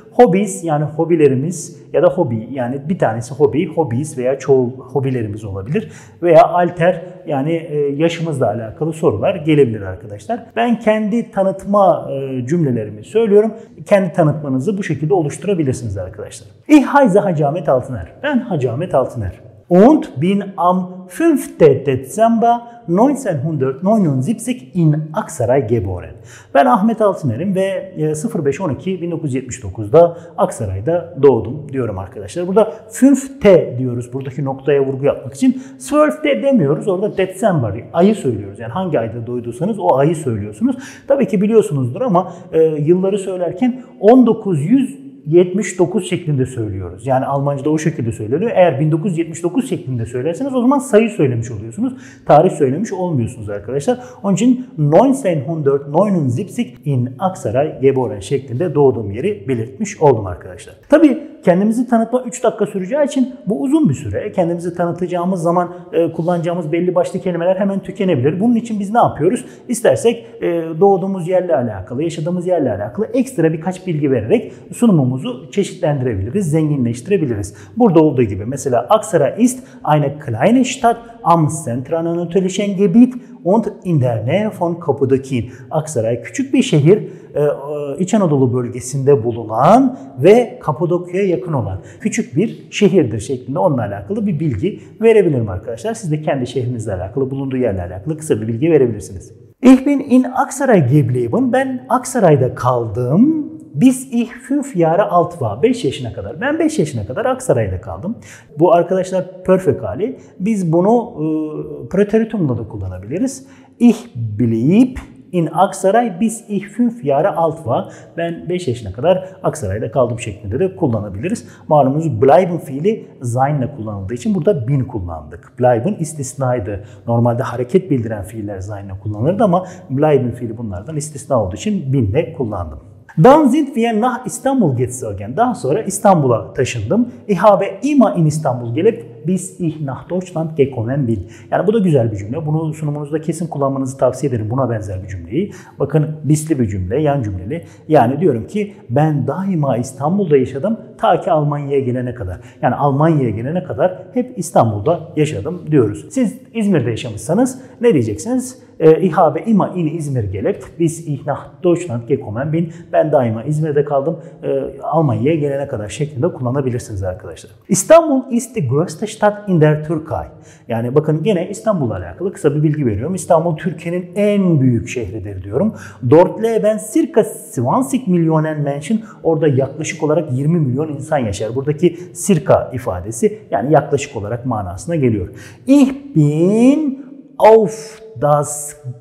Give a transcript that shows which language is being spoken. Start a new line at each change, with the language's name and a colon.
Turkish: Hobbies, yani hobilerimiz ya da hobby, yani bir tanesi hobby, hobbies veya çoğul hobilerimiz olabilir. Veya alter, yani yaşımızla alakalı sorular gelebilir arkadaşlar. Ben kendi tanıtma cümlelerimi söylüyorum. Kendi tanıtmanızı bu şekilde oluşturabilirsiniz arkadaşlar.
German: Ich heiße Hacamet Altıner.
Turkish: Ben Hacamet Altıner.
German: Und bin am 5. Dezember 1979 in Aksaray geboren.
Turkish: Ben Ahmet Altıner'im ve 05.12.1979'da Aksaray'da doğdum diyorum arkadaşlar. Burada 5'te diyoruz buradaki noktaya vurgu yapmak için. 12'te demiyoruz, orada Dezember ayı söylüyoruz. Yani hangi ayda doğduysanız o ayı söylüyorsunuz. Tabii ki biliyorsunuzdur ama yılları söylerken 1979 şeklinde söylüyoruz. Yani Almanca'da o şekilde söyleniyor. Eğer 1979 şeklinde söylerseniz o zaman sayı söylemiş oluyorsunuz. Tarih söylemiş olmuyorsunuz arkadaşlar. Onun için
German: 1979 in Aksaray geboren
Turkish: şeklinde doğduğum yeri belirtmiş oldum arkadaşlar. Tabii kendimizi tanıtma 3 dakika süreceği için bu uzun bir süre. Kendimizi tanıtacağımız zaman kullanacağımız belli başlı kelimeler hemen tükenebilir. Bunun için biz ne yapıyoruz? İstersek doğduğumuz yerle alakalı, yaşadığımız yerle alakalı ekstra birkaç bilgi vererek sunumumuzu çeşitlendirebiliriz, zenginleştirebiliriz. Burada olduğu gibi mesela
German: Aksaray ist eine kleine Stadt am zentralanatolischen Gebiet und in der Nähe von Kapadokien.
Turkish: Aksaray küçük bir şehir, İç Anadolu bölgesinde bulunan ve Kapadokya'ya yakın olan küçük bir şehirdir şeklinde onunla alakalı bir bilgi verebilirim arkadaşlar. Siz de kendi şehrinizle alakalı, bulunduğu yerle alakalı kısa bir bilgi verebilirsiniz.
German: Ich bin in Aksaray geblieben.
Turkish: Ben Aksaray'da kaldım.
German: Bis ich 5 Jahre alt war.
Turkish: 5 yaşına kadar. Ben 5 yaşına kadar Aksaray'da kaldım. Bu arkadaşlar perfect hali. Biz bunu preteritumla da kullanabiliriz.
German: Ich blieb in Aksaray bis ich 5 Jahre alt war.
Turkish: Ben 5 yaşına kadar Aksaray'da kaldım şeklinde de kullanabiliriz. Malumunuz bleiben fiili sein ile kullanıldığı için burada bin kullandık. Bleiben istisnaydı. Normalde hareket bildiren fiiller sein ile kullanılırdı ama bleiben fiili bunlardan istisna olduğu için bin ile kullandım.
German: Dann sind wir nach Istanbul gezogen.
Turkish: Daha sonra İstanbul'a taşındım.
German: Ich habe immer in Istanbul gelip bis ich nach Deutschland gekommen bin.
Turkish: Yani bu da güzel bir cümle. Bunu sunumunuzda kesin kullanmanızı tavsiye ederim. Buna benzer bir cümleyi. Bakın bisli bir cümle, yan cümleli. Yani diyorum ki ben daima İstanbul'da yaşadım ta ki Almanya'ya gelene kadar. Yani Almanya'ya gelene kadar hep İstanbul'da yaşadım diyoruz. Siz İzmir'de yaşamışsanız ne diyeceksiniz?
German: Ich habe immer in İzmir gelebt. Bis ich nach Deutschland gekommen bin.
Turkish: Ben daima İzmir'de kaldım. Almanya'ya gelene kadar şeklinde kullanabilirsiniz arkadaşlar.
German: İstanbul ist die größte Stadt in der Türkei.
Turkish: Yani bakın gene İstanbul'la alakalı kısa bir bilgi veriyorum. İstanbul Türkiye'nin en büyük şehridir diyorum.
German: Dort leben circa 20 Millionen Menschen.
Turkish: Orada yaklaşık olarak 20 milyon insan yaşar. Buradaki circa ifadesi yani yaklaşık olarak manasına geliyor.
German: Ich bin auf das